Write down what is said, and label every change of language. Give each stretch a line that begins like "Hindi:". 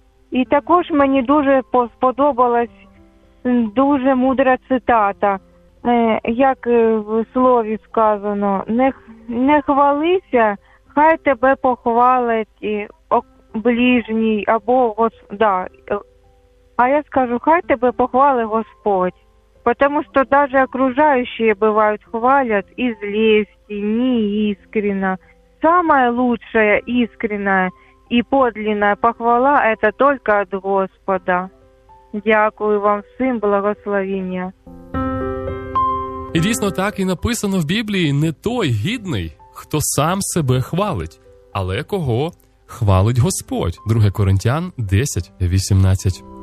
Ukrainian: І також мені дуже сподобалась дуже мудра цитата, як в слові сказано: не хвалися, хай тебе похвалить ближній або Господа. А я скажу, хай тебе похвалить Господь.
Russian: Потому что даже окружающие бывают хвалят из лести, неискренно. Самая лучшая, искренняя и подлинная похвала – это только от Господа.
Ukrainian: Дякую вам всім, благословення. І дійсно так і написано в Біблії: не той гідний, хто сам себе хвалить, але кого хвалить Господь. 2 Коринтян 10:18.